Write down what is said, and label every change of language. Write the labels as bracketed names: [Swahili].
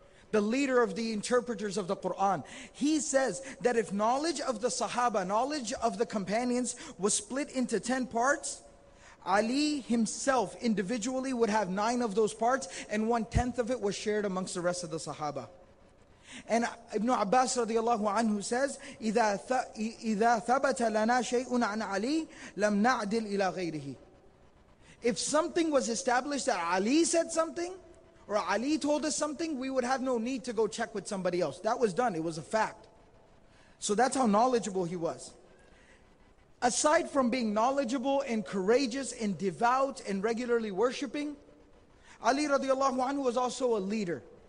[English] The leader of the interpreters of the Quran. He says that if knowledge of the Sahaba, knowledge of the companions was split into 10 parts, Ali himself individually would have 9 of those parts, and 1/10 of it was shared amongst the rest of the Sahaba. And Ibn Abbas radiallahu anhu says, [Arabic] إِذَا ثَبَتَ لَنَا شَيْءٌ عَنْ عَلِي لَمْ نَعْدِلْ إِلَىٰ غَيْرِهِ. [English] If something was established that Ali said something, or Ali told us something, we would have no need to go check with somebody else. That was done, it was a fact. So that's how knowledgeable he was. Aside from being knowledgeable and courageous and devout and regularly worshipping, Ali radiallahu anhu was also a leader.